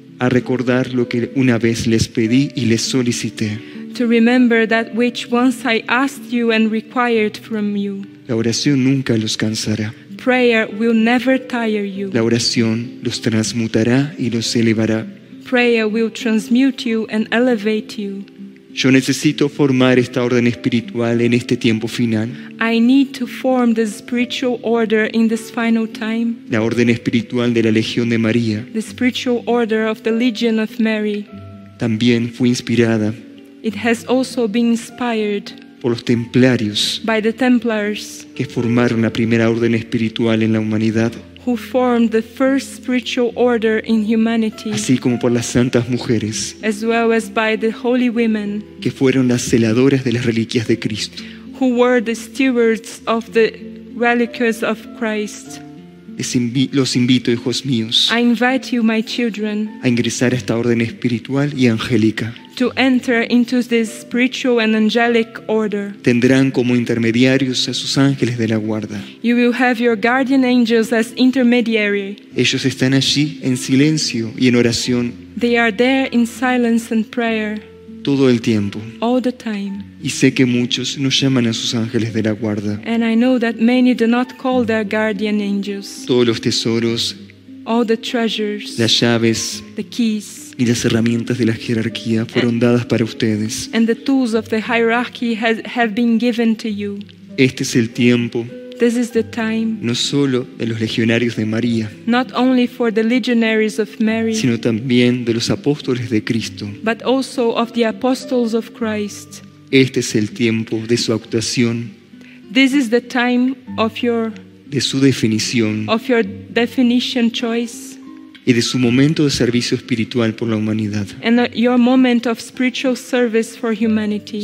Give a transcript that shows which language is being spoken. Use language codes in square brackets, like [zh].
[es] a recordar lo que una vez les pedí y les solicité. [en] To remember that which once I asked you and required from you. [es] La oración nunca los cansará. [en] Prayer will never tire you. [es] La oración los transmutará y los elevará. [en] Prayer will transmute you and elevate you. [es] Yo necesito formar esta orden espiritual en este tiempo final. [en] I need to form the spiritual order in this final time. [es] La orden espiritual de la Legión de María. [en] The spiritual order of the Legion of Mary. [es] También fue inspirada. [en] It has also been inspired. [es] Por los templarios. [en] By the Templars. [es] Que formaron la primera orden espiritual en la humanidad. [en] Who formed the first spiritual order in humanity. [es] Así como por las santas mujeres. [en] As well as by the holy women. [es] Que fueron las celadoras de las reliquias de Cristo. [en] Who were the stewards of the relics of Christ. [es] Los invito, hijos míos. [en] I invite you, my children. [es] A ingresar a esta orden espiritual y angélica. [en] To enter into this spiritual and angelic order. [es] Tendrán como intermediarios a sus ángeles de la guarda. [en] You will have your guardian angels as intermediary. [es] Ellos están allí en silencio y en oración. [en] They are there in silence and prayer. [es] Todo el tiempo. [en] All the time. [es] Y sé que muchos no llaman a sus ángeles de la guarda. [en] And I know that many do not call their guardian angels. [es] Todos los tesoros. [en] All the treasures. [es] Las llaves. [en] The keys. [es] Y las herramientas de la jerarquía fueron dadas para ustedes. [en] And the tools of the hierarchy have been given to you. [es] Este es el tiempo. [en] This is the time. [es] No solo de los legionarios de María. [en] Not only for the legionaries of Mary. [es] Sino también de los apóstoles de Cristo. [en] But also of the apostles of Christ. [es] Este es el tiempo de su actuación. [en] This is the time of your. [es] De su definición. [en] Of your definition choice. [es] Y de su momento de servicio espiritual por la humanidad. [en] And your moment of spiritual service for humanity.